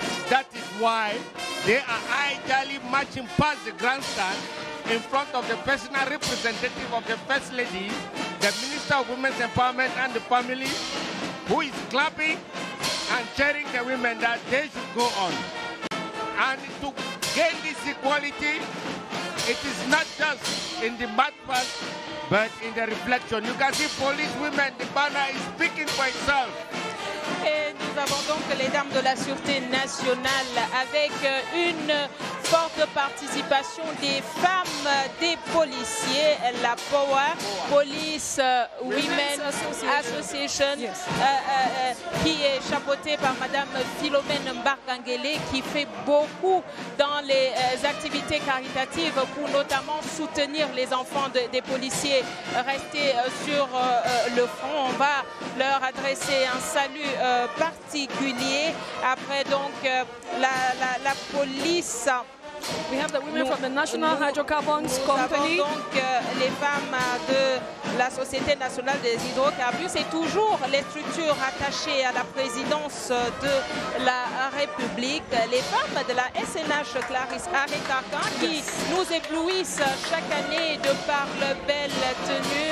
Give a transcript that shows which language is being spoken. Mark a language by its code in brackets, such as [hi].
[en] That is why they are ideally marching past the grandstand in front of the personal representative of the First Lady, the Minister of Women's Empowerment and the Family, who is clapping and cheering the women that they should go on. And to gain this equality, it is not just in the mudpath, but in the reflection. You can see police women, the banner is speaking for itself. [fr] Et nous avons donc les dames de la Sûreté nationale avec une forte participation des femmes, des policiers, la POA, Police Women Association, yes. Qui est chapeautée par Madame Philomène Mbarkangele, qui fait beaucoup dans les activités caritatives pour notamment soutenir les enfants des policiers restés sur le front. On va leur adresser un salut particulier après donc la police. [en] We have the women from the National Hydrocarbons Company. [fr] Nous avons donc les femmes de la Société Nationale des Hydrocarbures. C'est toujours les structures attachées à la présidence de la République. Les femmes de la SNH, Clarisse Arétarquin, qui nous éblouissent chaque année de par leur belle tenue.